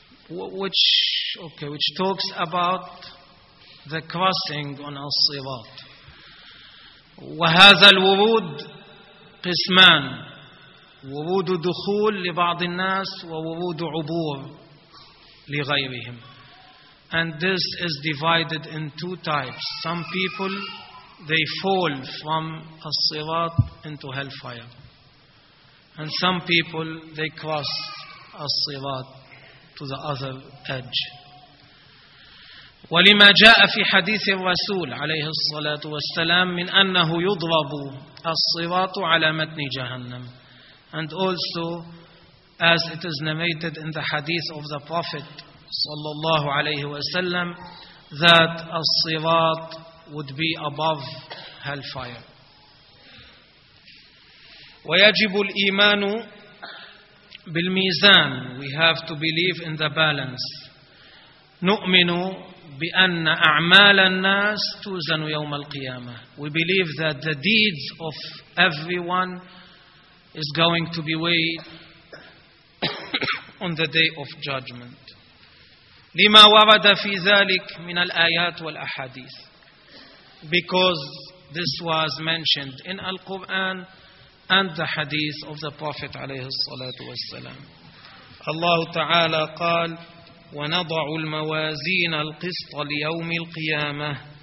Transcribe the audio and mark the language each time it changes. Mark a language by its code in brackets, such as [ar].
[en] Which talks about the crossing on al-sirat. [ar] وهذا الورود قسمان, ورود دخول لبعض الناس وورود عبور لغيرهم. [en] And this is divided in two types. Some people, they fall from al-sirat into hellfire. And some people, they cross al-sirat to the other edge. [ar] ولما جاء في حديث الرسول عليه الصلاة والسلام من أنه يضرب الصراط على متن جهنم. [en] And also, as it is narrated in the hadith of the Prophet صلى الله عليه وسلم, that الصراط would be above hellfire. [ar] ويجب الإيمان بالميزان. [en] We have to believe in the balance. [ar] نؤمن بأن أعمال الناس توزن يوم القيامة. [en] We believe that the deeds of everyone is going to be weighed on the day of judgment. [ar] لما ورد في ذلك من الآيات والأحاديث. [en] Because this was mentioned in Al-Quran and the hadith of the Prophet عليه الصلاة والسلام. [ar] الله تعالى قال ونضع الموازين القسط ليوم القيامة.